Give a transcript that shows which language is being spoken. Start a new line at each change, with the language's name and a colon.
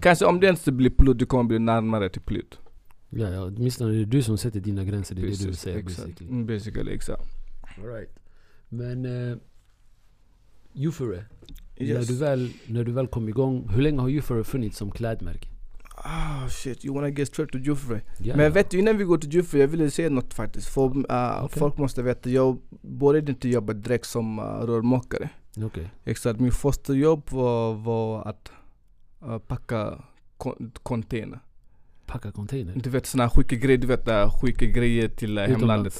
Swedish: Kanske om du inte blir pilot, du kommer bli närmare till pilot. Ja, ja, åtminstone det är du som sätter dina gränser, det är det du säger, basically. Basically, exakt.
English: All right. Men, Jufure, yes.
Swedish: när du väl kom igång, hur länge har Jufure funnits som klädmärke?
English: Ah, oh, shit, you wanna get straight to Jufure? Yeah.
Swedish: Men vet du, innan vi går till Jufure, jag ville säga något faktiskt. För folk måste veta, jag började inte jobba direkt som rörmakare. Okej. Okay. Exakt, min första jobb var att packa container. Packa container. Du vet såna skicka grejer, du vet skicka grejer till hemlandet.